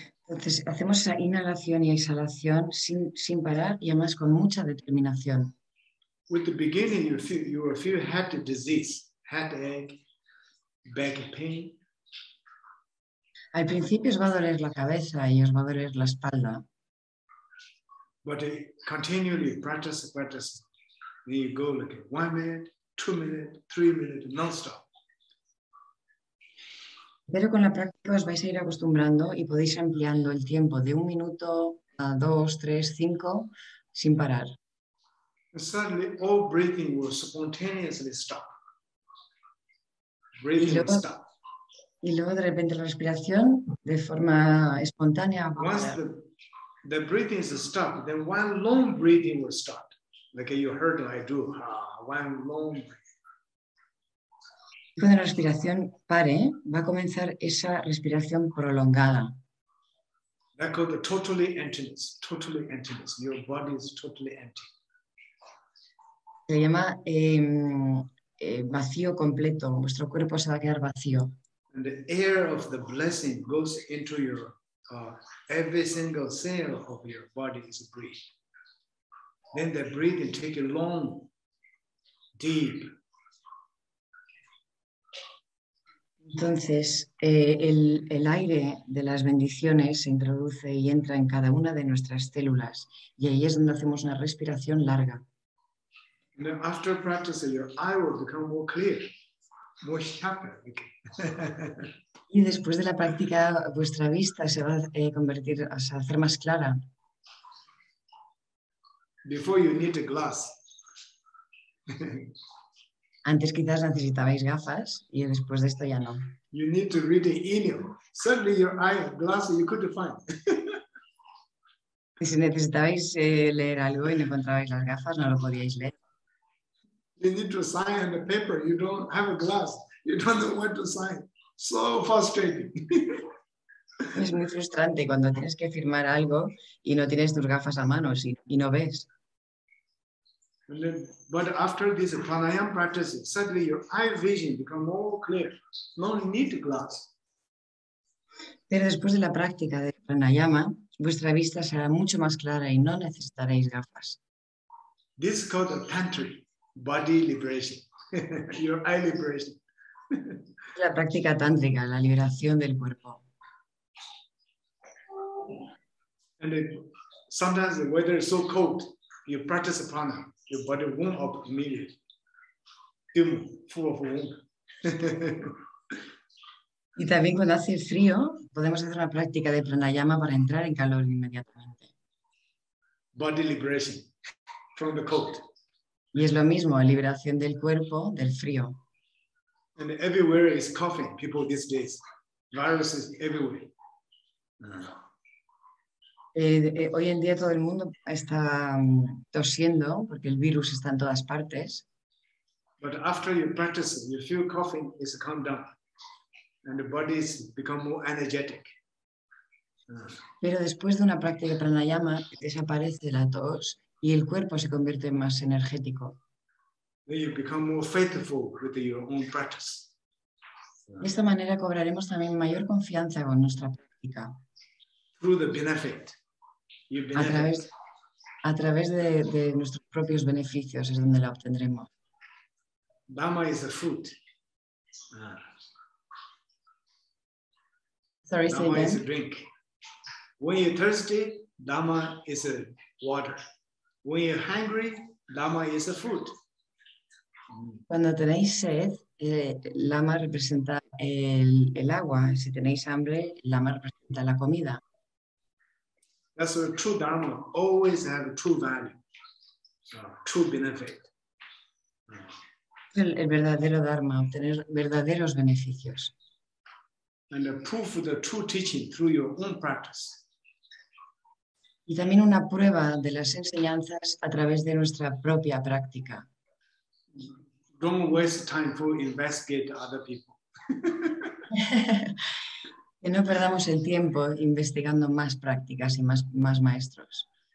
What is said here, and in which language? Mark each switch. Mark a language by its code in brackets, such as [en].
[es] Entonces, hacemos esa inhalación y exhalación sin parar y además con mucha determinación. [en] With the beginning, you feel had the disease. Headache, back pain. [es] Al principio os va a doler la cabeza y os va a doler la espalda. [en] But continually practice. Then you go like 1 minute, 2 minute, 3 minute, non-stop. [es] Pero con la práctica os vais a ir acostumbrando y podéis ampliando el tiempo de 1 minuto a 2, 3, 5 sin parar. [en] And suddenly all breathing will spontaneously stop. [es] Y luego de repente la respiración de forma espontánea. [en] Once the breathing is stopped, then one long breathing will start. Like you heard, I do one long. [es] Cuando la respiración pare, va a comenzar esa respiración prolongada. [en] Like totally emptiness, totally emptiness. Your body is totally empty. [es] Se llama vacío completo. Vuestro cuerpo se va a quedar vacío. [en] And the air of the blessing goes into your every single cell of your body is breathed. Then the breathing take a long, deep. [es] Entonces, el aire de las bendiciones se introduce y entra en cada una de nuestras células. Y ahí es donde hacemos una respiración larga. [en] And then after practice, your eye will become more clear, more sharper. [es] Y después de la práctica, vuestra vista se va a convertir, o sea, hacer más clara. [en] Before you need a glass. [es] Antes quizás necesitabais gafas y después de esto ya no. [en] You need to read the email. Suddenly your eye glass you couldn't find. [es] Si necesitabais leer algo y no encontrabais las gafas, no lo podíais leer. [en] You need to sign on the paper. You don't have a glass. You don't know what to sign. So frustrating. [es] Es muy frustrante cuando tienes que firmar algo y no tienes tus gafas a mano y no ves. [en] But after this pranayama practice, suddenly your eye vision becomes more clear. No need glass. [es] Pero después de la práctica de pranayama, vuestra vista será mucho más clara y no necesitaréis gafas. [en] This is called a tantric body liberation. Your eye liberation. [es] La práctica tántrica, la liberación del cuerpo. [en] And sometimes the weather is so cold, you practice a pranayama. Your body warm up immediately. Still full of warm. [es] Y también cuando hace frío, podemos hacer una práctica de pranayama para entrar en calor inmediatamente. [en] Body liberation from the cold. [es] Y es lo mismo, liberación del cuerpo del frío. [en] And everywhere is coughing people these days. Viruses everywhere. [es] Hoy en día todo el mundo está tosiendo porque el virus está en todas partes. [en] But after you practice, you feel coughing is calm down and the body is become more energetic. [es] Pero después de una práctica de pranayama desaparece la tos y el cuerpo se convierte en más energético. [en] Then you become more faithful with your own practice. [es] De esta manera cobraremos también mayor confianza con nuestra práctica. [en] Through the benefit. [es] A través de nuestros propios beneficios es donde la obtendremos. [en] Dhamma is a fruit. Sorry, Dhamma say again. Is a drink. When you're thirsty, Dhamma is a water. When you're hungry, Dhamma is a fruit. [es] Cuando tenéis sed, Lama representa el agua. Si tenéis hambre, Lama representa la comida. [en] That's why true dharma always have true value, true benefit. [es] El verdadero dharma, obtener verdaderos beneficios. [en] And a proof of the true teaching through your own practice. [es] Y también una prueba de las enseñanzas a través de nuestra propia práctica. [en] Don't waste time to investigate other people. [es] Que no perdamos el tiempo investigando más prácticas y más maestros.